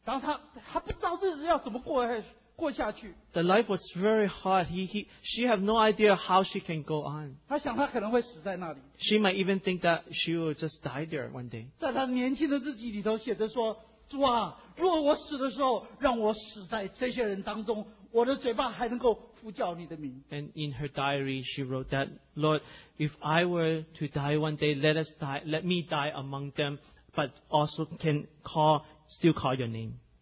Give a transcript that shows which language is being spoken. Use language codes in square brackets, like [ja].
[zh] 然后她不知道日子要怎么过下去。 [en] The life was very hard. She had no idea how she can go on. She might even think that she will just die there one day. [zh] 在她年轻的日记里头写着说, 主啊, 若我死的时候, 让我死在这些人当中, 我的嘴巴还能够呼叫你的名。 [en] And in her diary, she wrote that, Lord, if I were to die one day, let me die among them, but also can still call your name.